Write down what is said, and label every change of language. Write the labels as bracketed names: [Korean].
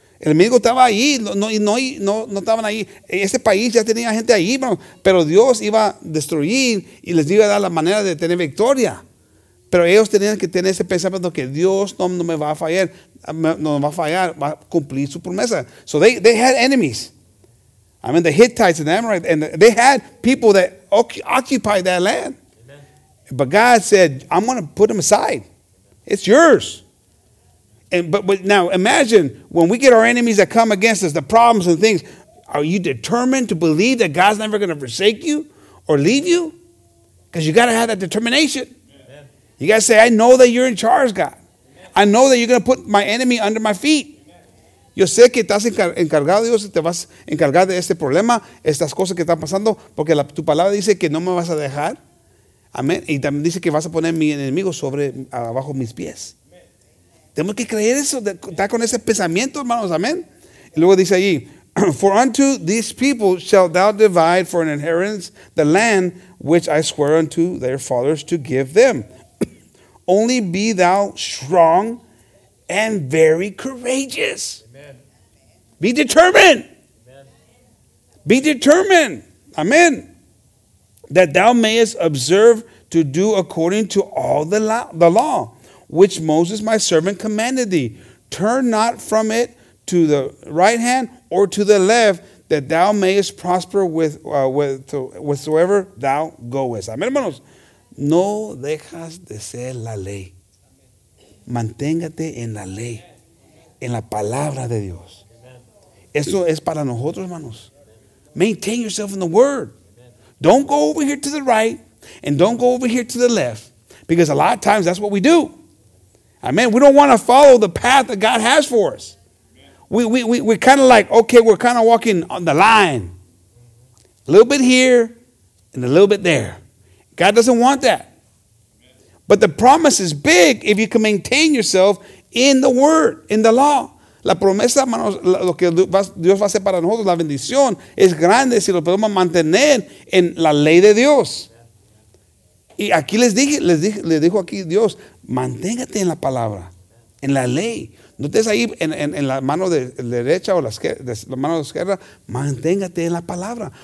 [Spanish] El enemigo estaba ahí, no estaban ahí. Ese país ya tenía gente ahí, hermanos. Pero Dios iba a destruir y les iba a dar la manera de tener victoria. Pero ellos tenían que tener ese pensamiento que Dios no me va a fallar. Va a cumplir su promesa. [English] So they had enemies. I mean, the Hittites and the Amorites, and they had people that occupied that land. Amen. But God said, I'm going to put them aside. It's yours. But now imagine when we get our enemies that come against us, the problems and things, are you determined to believe that God's never going to forsake you or leave you? Because you got to have that determination. Amen. You got to say, I know that you're in charge, God. Amen. I know that you're going to put my enemy under my feet. [Spanish] Yo sé que estás encargado, Dios, te vas a encargar de este problema, estas cosas que están pasando, porque tu palabra dice que no me vas a dejar. Amén. Y también dice que vas a poner mi enemigo sobre, abajo mis pies. Amen. Tenemos que creer eso, estar con ese pensamiento, hermanos. Amén. Y luego dice allí, [English] for unto these people shall thou divide for an inheritance the land which I swear unto their fathers to give them. Only be thou strong and very courageous. Be determined. Amen. Be determined. Amen. That thou mayest observe to do according to all the law, which Moses my servant commanded thee. Turn not from it to the right hand or to the left, that thou mayest prosper with whatsoever thou goest. [Spanish] Amen, hermanos. No dejas de ser la ley. Manténgate en la ley, en la palabra de Dios. Eso es para nosotros, hermanos. [English] Maintain yourself in the word. Amen. Don't go over here to the right and don't go over here to the left, because a lot of times that's what we do. Amen. We don't want to follow the path that God has for us. Amen. We're kind of like, okay, we're kind of walking on the line. A little bit here and a little bit there. God doesn't want that. Amen. But the promise is big if you can maintain yourself in the word, in the law. [Spanish] La promesa, hermanos, lo que Dios va a hacer para nosotros, la bendición, es grande si lo podemos mantener en la ley de Dios. Y aquí les dijo aquí Dios, manténgate en la palabra, en la ley. No estés ahí en la mano de derecha o la mano de izquierda, manténgate en la palabra.